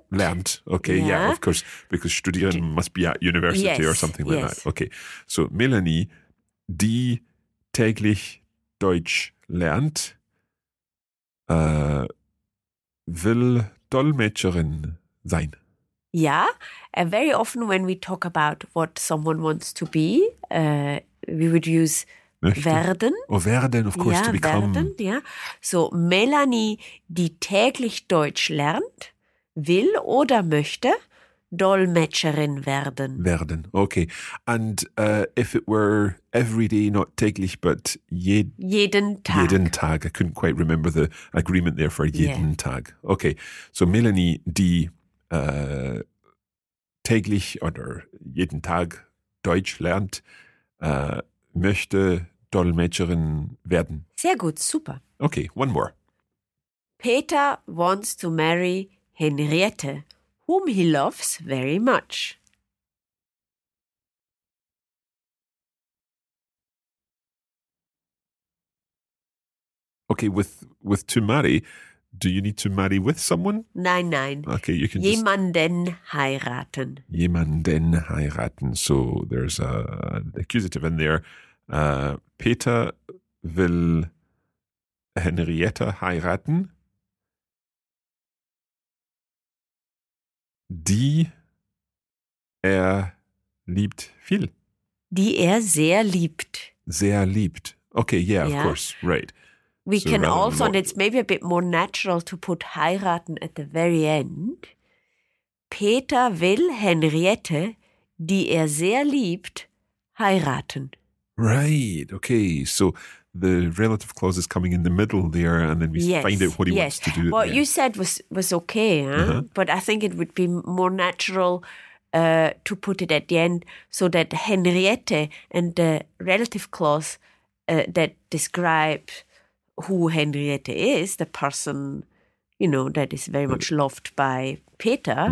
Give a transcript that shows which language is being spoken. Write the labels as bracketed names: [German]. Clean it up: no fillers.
[English] Lernt, okay, yeah, of course, because studieren must be at university yes. or something like yes. that. [German] Okay, so Melanie, die täglich Deutsch lernt, will Dolmetscherin sein. [English] Yeah, and very often when we talk about what someone wants to be, we would use [German] möchte. Werden. [English] Oh, werden, of course, yeah, to become. Werden, yeah. [German] So Melanie, die täglich Deutsch lernt, will oder möchte Dolmetscherin werden. [English] Werden, okay. And if it were every day, not täglich, but [German] jeden Tag. Jeden Tag. [English] I couldn't quite remember the agreement there for jeden yeah. Tag. [German] Okay, so Melanie, die täglich oder jeden Tag Deutsch lernt, möchte Dolmetscherin werden. Sehr gut, super. [English] Okay, one more. Peter wants to marry Henriette, whom he loves very much. Okay, with to marry, do you need to marry with someone? [German] Nein, nein. [English] Okay, you can [German] jemanden heiraten. Jemanden heiraten. [English] So there's an accusative in there. [German] Peter will Henriette heiraten, die er liebt viel. Die er sehr liebt. Sehr liebt. Okay, yeah, [English] yeah. of course, right. We can also, and it's maybe a bit more natural to put heiraten at the very end. [German] Peter will Henriette, die er sehr liebt, heiraten. [English] Right, okay. So the relative clause is coming in the middle there, and then we yes. find out what he yes. wants to do. What there. You said was okay, huh? uh-huh. but I think it would be more natural to put it at the end so that Henriette and the relative clause that describe who Henriette is, the person, you know, that is very much loved by Peter,